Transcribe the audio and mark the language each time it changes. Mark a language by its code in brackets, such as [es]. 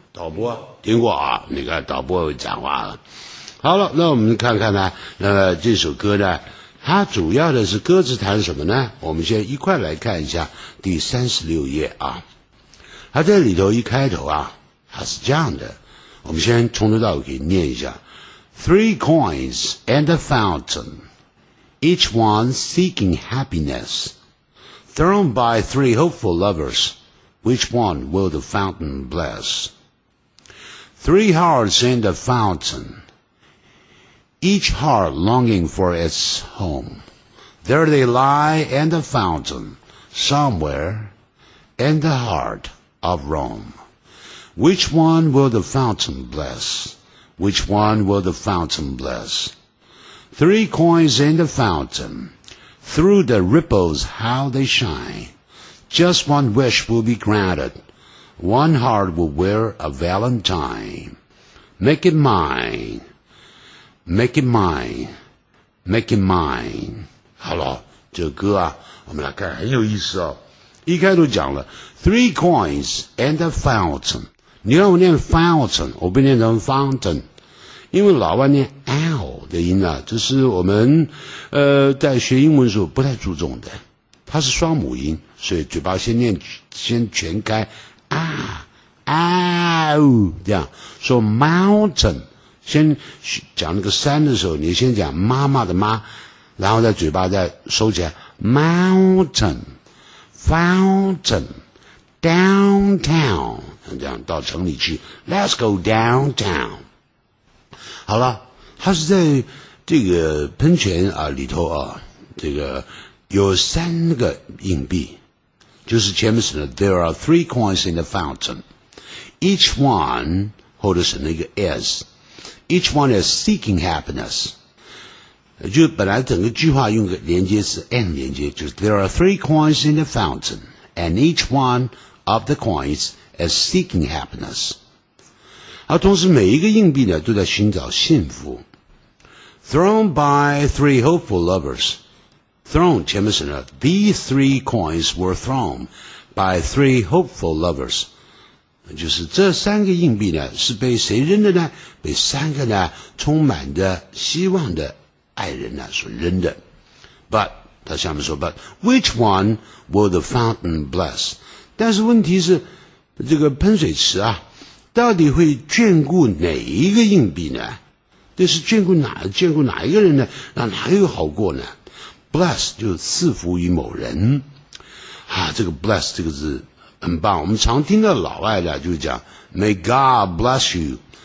[zh] 导播听过啊，你看导播讲话了。好了，那我们看看呢，那这首歌呢，它主要的是歌词谈什么呢？我们先一块来看一下第36页啊，它在里头一开头啊，它是这样的，我们先从头到尾给念一下。 [en] Three coins and a fountain, each one seeking happiness, thrown by three hopeful lovers, which one will the fountain bless? Three hearts and a fountain, each heart longing for its home. There they lie and a fountain, somewhere in the heart of Rome. Which one will the fountain bless? Which one will the fountain bless? Three coins in the fountain, through the ripples how they shine. Just one wish will be granted, one heart will wear a valentine. Make it mine, make it mine, make it mine. [zh] 好了，这个歌啊，我们来看很有意思哦。一开头讲了 [en] three coins and a fountain. [zh] 你让我念 fountain, 我不念成 fountain。因为老外念 L 的音啊，这是我们在学英文的时候不太注重的，它是双母音，所以嘴巴先念先全开啊啊呜、哦、这样说 mountain， 先讲那个山的时候你先讲妈妈的妈，然后在嘴巴再收起来 [en] mountain fountain downtown， [zh] 这样到城里去 [en] let's go downtown。 [zh] 好了，他是在这个喷泉啊里头啊，这个有三个硬币，就是前面写的 [en] There are three coins in the fountain. Each one [zh] 或者是那个 [en] is, each one is seeking happiness. [zh] 就本来整个句话用个连接词 [en] and [zh] 连接，就是 [en] There are three coins in the fountain, and each one of the coins is seeking happiness. [zh] 而同时每一个硬币呢都在寻找幸福。 [en] Thrown by three hopeful lovers. Thrown, [zh] 前面是呢 [en] these three coins were thrown by three hopeful lovers. [zh] 就是这三个硬币呢是被谁扔的呢？被三个呢充满的希望的爱人呢所扔的。 [en] But, [zh] 他下面说 [en] But, which one will the fountain bless? [zh] 但是问题是这个喷水池啊到底会眷顾哪一个硬币呢？这是眷顾哪一个人呢？那哪有好过呢 ？Bless 就是赐福于某人啊，这个 bless 这个字很棒。我们常听到老外的就讲 [en] "May God bless you"，